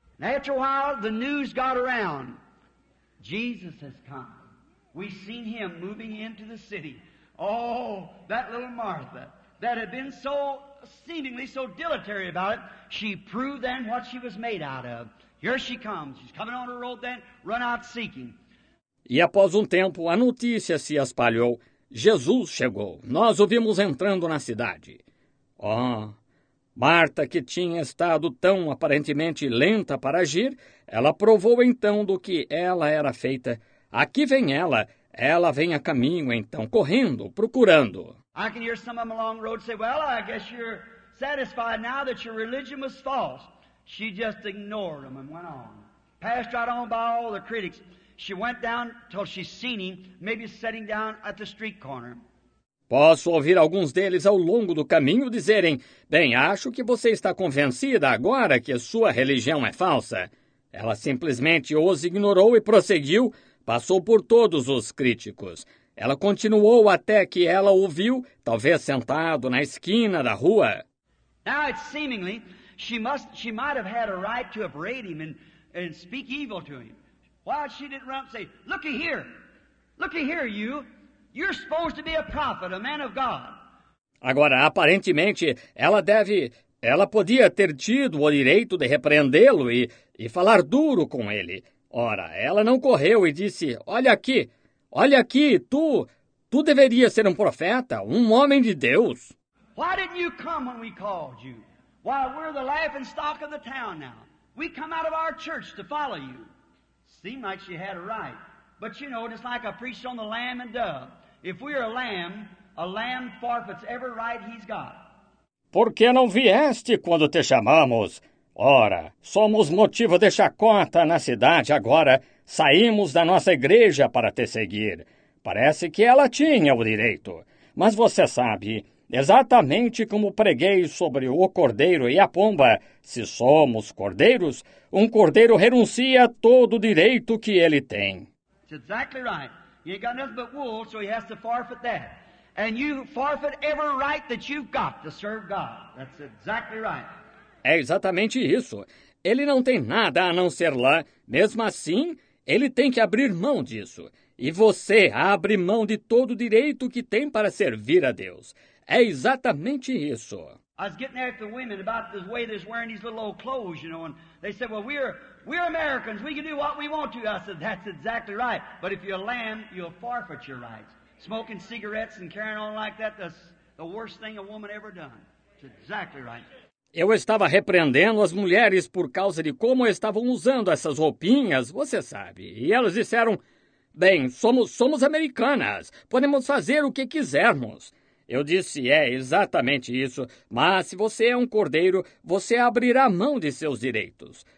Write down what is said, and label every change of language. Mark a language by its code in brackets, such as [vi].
[en] And after a while, the news got around. Jesus has come. We've seen him moving into the city. Oh, that little Martha, that had been so seemingly so dilatory about it, she proved then what she was made out of. Here she comes. She's coming on her road then, run out seeking. [pt] E após tempo, a notícia se espalhou. Jesus chegou. Nós o vimos entrando na cidade. Oh, Marta, que tinha estado tão aparentemente lenta para agir, ela provou então do que ela era feita. Aqui vem ela. Ela vem a caminho, então, correndo, procurando. [en] I can hear some of them along the road say, "Well, I guess you're satisfied now that your religion was false." She just ignored them and went on. Passed right on by all the critics. She went down till she seen him, maybe sitting down at the street corner. [pt] Posso ouvir alguns deles ao longo do caminho dizerem: "Bem, acho que você está convencida agora que a sua religião é falsa." Ela simplesmente os ignorou e prosseguiu. Passou por todos os críticos. Ela continuou até que ela o viu, talvez sentado na esquina da rua. [en] Now it's seemingly, she might have had a right to have raided him and speak evil to him. Why she didn't run up and say, looky here, you. You're supposed to be a prophet, a man of God." [pt] Agora, aparentemente, ela podia ter tido o direito de repreendê-lo e falar duro com ele. Ora, ela não correu e disse: olha aqui, tu deveria ser um profeta, um homem de Deus. [en] Why didn't you come when we called you? Why, we're the laughing stock of the town now. We come out of our church to follow you. Seemed like she had a right. But you know, just like I preached on the lamb and dove. If we are a lamb forfeits every right he's got. [pt] Por que não vieste quando te chamamos? Ora, somos motivo de chacota na cidade agora. Saímos da nossa igreja para te seguir. Parece que ela tinha o direito. Mas você sabe, exatamente como preguei sobre o cordeiro e a pomba, se somos cordeiros, um cordeiro renuncia a todo o direito que ele tem. [en] It's exactly right. You ain't got nothing but wool, so he has to forfeit that. And you forfeit every right that you've got to serve God. That's exactly right. [pt] É exatamente isso. Ele não tem nada a não ser lá. Mesmo assim, ele tem que abrir mão disso. E você abre mão de todo o direito que tem para servir a Deus. É exatamente isso. [en] I was getting after women about the way they're wearing these little old clothes, you know, and they said, well, we're Americans. We can do what we want to. I said, that's exactly right. But if you're a lamb, you'll forfeit your rights. Smoking cigarettes and carrying on like that, that's the worst thing a woman ever done. It's exactly right. [pt] Eu estava repreendendo as mulheres por causa de como estavam usando essas roupinhas, você sabe. E elas disseram, bem, somos americanas, podemos fazer o que quisermos. Eu disse, é exatamente isso, mas se você é um cordeiro, você abrirá mão de seus direitos.